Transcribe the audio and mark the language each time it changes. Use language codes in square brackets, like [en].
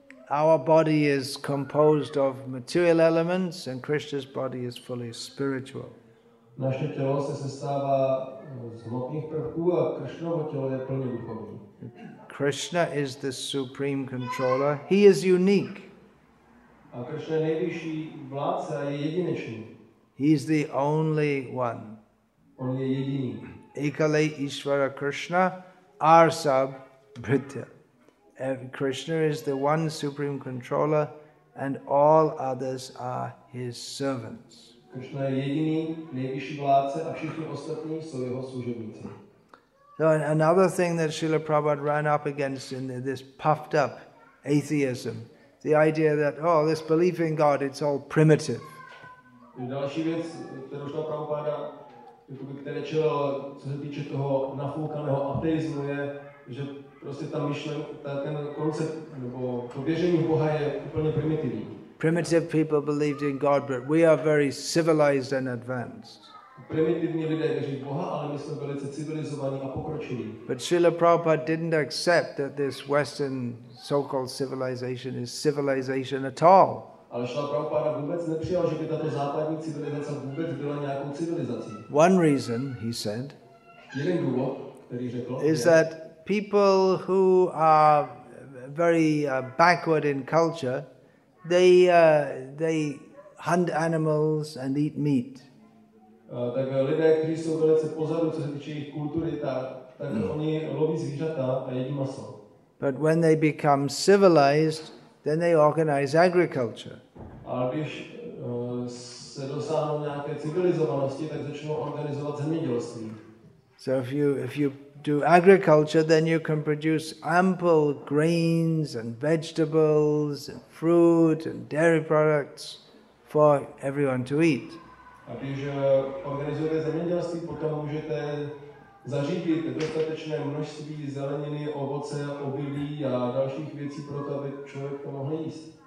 [en] Our body is composed of material elements and Krishna's body is fully spiritual. [cs] Naše tělo se sestává z hmotných prvků a Krishnovo tělo je plně duchovní. [en] Krishna is the supreme controller. He is unique. [cs] A Krishna je nejvyšší vládce a je jedinečný. [en] He is the only one. [cs] On je jediný. [bn] Ekale Ishvara Krishna Arsab Bhritya. [en] Krishna is the one supreme controller and all others are his servants. [cs] Krishna je jediný, nejvyšší vládce a všichni ostatní jsou jeho služebníci. [en] So another thing that Srila Prabhupada ran up against in this puffed up atheism, the idea that, oh, this belief in God, it's all primitive. [cs] Další věc, kterou šla Prabhupada, které čelo, co se týče toho nafoukaného ateismu, je, že prostě ta myšlenka, ten koncept nebo to věření v Boha je úplně primitivní. [en] Primitive people believed in God, but we are very civilized and advanced. [cs] Primitivní lidé věří v Boha, ale my jsme velice civilizovaní a pokročilí. [en] But Srila Prabhupada didn't accept that this Western so-called civilization is civilization at all. [cs] Ale Srila Prabhupada vůbec nepřijal, že by tato západní civilizace vůbec byla nějakou civilizací. [en] One reason, he said, [cs] jeden důvod, který řekl, [en] is that people who are very backward in culture, they hunt animals and eat meat. [cs] Tak lidé, kteří jsou velice pozadu, co se týče jejich kultury, tak oni loví zvířata a jedí maso. [en] But when they become civilized, then they organize agriculture. [cs] Ale když se dosáhnou nějaké civilizovanosti, tak začnou organizovat zemědělství. [en] So if you do agriculture, then you can produce ample grains and vegetables and fruit and dairy products for everyone to eat. [cs] A když organizujete zemědělství, potom můžete zařídit dostatečné množství zeleniny, ovoce, obilí a dalších věcí pro to, aby člověk to mohl jíst.